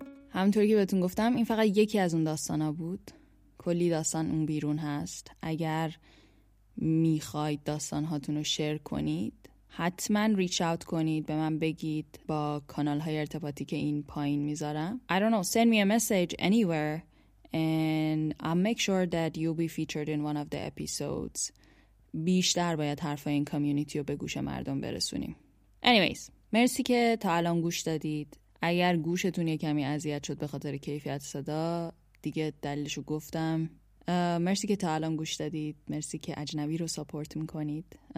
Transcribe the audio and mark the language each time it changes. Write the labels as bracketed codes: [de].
[fa] همونطوری که بهتون گفتم این فقط یکی از اون داستانا بود، کلی داستان اون بیرون هست. اگر میخواید داستان هاتون رو شیر کنید حتما ریچ اوت کنید به من، بگید با کانال های ارتباطی که این پایین میذارم. [en] I don't know, send me a message anywhere and I'll make sure that you'll be featured in one of the episodes. [fa] بیشتر باید حرفای این کامیونیتی رو به گوش مردم برسونیم. Anyways, مرسی که تا الان گوش دادید. اگر گوشتون یه کمی اذیت شد به خاطر کیفیت صدا، دیگه دلیلشو گفتم. مرسی که تا الان گوش دادید. مرسی که اجنبی رو ساپورت میکنید.